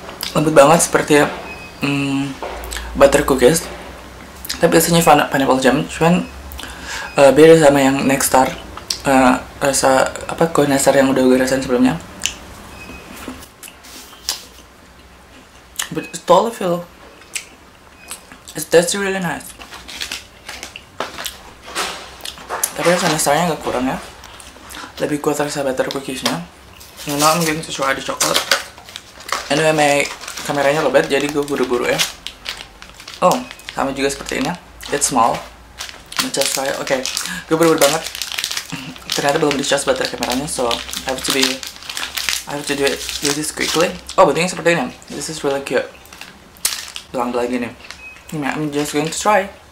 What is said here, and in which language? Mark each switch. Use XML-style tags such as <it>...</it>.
<id>Lembut banget seperti butter cookies, tapi rasanya pineapple jam. Cuman beda sama yang nastar, rasa apa kue nastar yang udah gue rasain sebelumnya.</id> <en>But it's totally feel, it's tasty really nice.</en> <id>Tapi rasa nastarnya agak kurang ya, lebih kuat rasa butter cookiesnya.</id> <en>You know, I'm getting to try the chocolate. Anyway, my</en> <id>kameranya lebat, jadi gue buru-buru ya. Oh, sama juga seperti ini.</id> <en>It's small. Just try. Okay,</en> <id>gue buru-buru banget. Ternyata belum di-charge baterai kameranya,</id> <en>so I have to do it. Do this quickly.</en> <id>Oh, bentuknya seperti ini.</id> <en>This is really cute.</en> <id>Belang-belang gini.</id> <en>I'm just going to try.</en>